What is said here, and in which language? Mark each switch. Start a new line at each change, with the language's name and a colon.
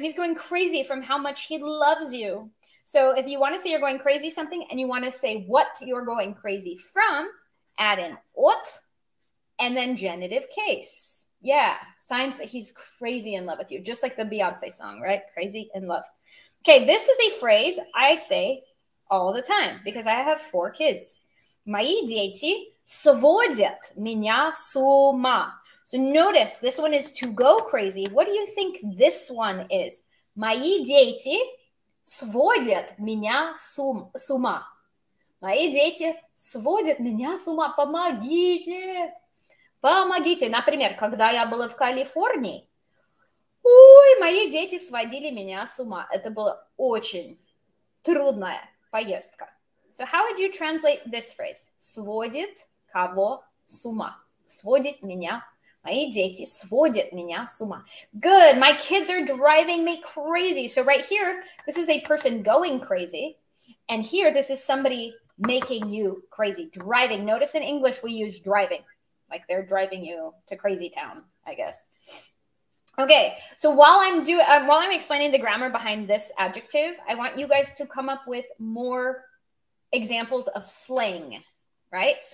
English: He's going crazy from how much he loves you. So, if you want to say you're going crazy something and you want to say what you're going crazy from, add in ought and then genitive case. Yeah, signs that he's crazy in love with you, just like the Beyonce song, right? Crazy in love. Okay, this is a phrase I say all the time because I have four kids.
Russian: Мои дети сводят меня с ума.
English: So notice this one is to go crazy. What do you think this one is?
Russian: Мои дети сводят меня с ума. Мои дети сводят меня с ума. Помогите! Помогите! Например, когда я была в Калифорнии, ой, мои дети сводили меня с ума. Это была очень трудная поездка.
English: So how would you translate this phrase?
Russian: Сводит кого с ума? Сводит меня. Мои дети сводят меня с ума.
English: Good. My kids are driving me crazy. So right here, this is a person going crazy. And here, this is somebody making you crazy, driving. Notice in English we use driving, like they're driving you to crazy town, I guess. Okay, so while I'm explaining the grammar behind this adjective, I want you guys to come up with more examples of slang, right?